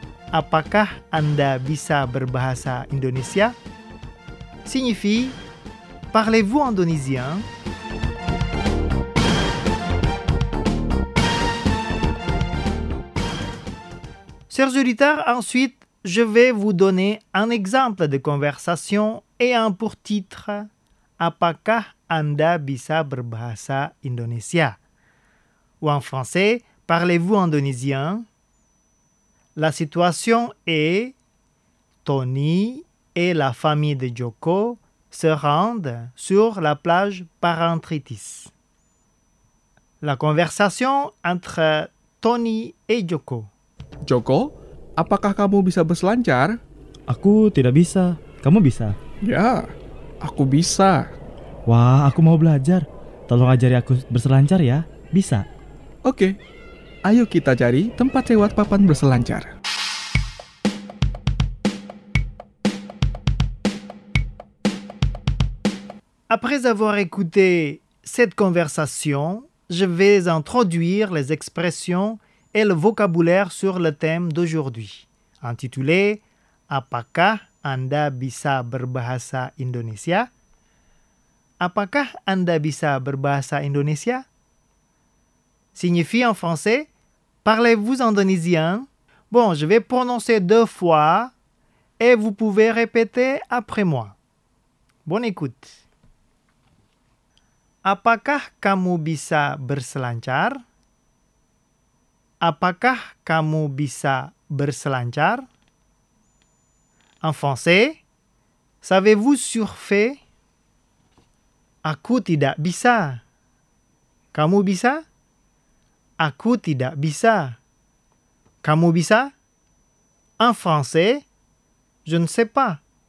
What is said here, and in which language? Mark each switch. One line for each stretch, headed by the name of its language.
Indonesian: Apakah Anda bisa berbahasa Indonesia?
French: Signifie, parlez-vous indonésien? Chers auditeurs, ensuite, je vais vous donner un exemple de conversation et un pour titre
Indonesian: Apakah Anda bisa berbahasa Indonesia?
French: Ou en français, parlez-vous indonésien? La situation est Tony et la famille de Joko se rendent sur la plage Parangtritis. La conversation entre Tony et Joko.
Indonesian: Joko, apakah kamu bisa berselancar? Aku tidak bisa. Kamu bisa? Ya, aku bisa. Wah, aku mau belajar. Tolong ajari aku berselancar ya. Bisa. Oke, ayo kita cari tempat lewat papan berselancar.
French: Après avoir écouté cette conversation, je vais introduire les expressions et le vocabulaire sur le thème d'aujourd'hui, intitulé
Indonesian: Apakah Anda bisa berbahasa Indonesia? Apakah Anda bisa berbahasa Indonesia?
French: Signifie en français, parlez-vous indonésien? Bon, je vais prononcer deux fois et vous pouvez répéter après moi. Bonne écoute.
Indonesian: Apakah kamu bisa berselancar? Apakah kamu bisa berselancar?
French: En français, savez-vous surfer?
Indonesian: Aku tidak bisa. Kamu bisa? Aku tidak bisa. Kamu bisa?
French: En français, je ne sais pas.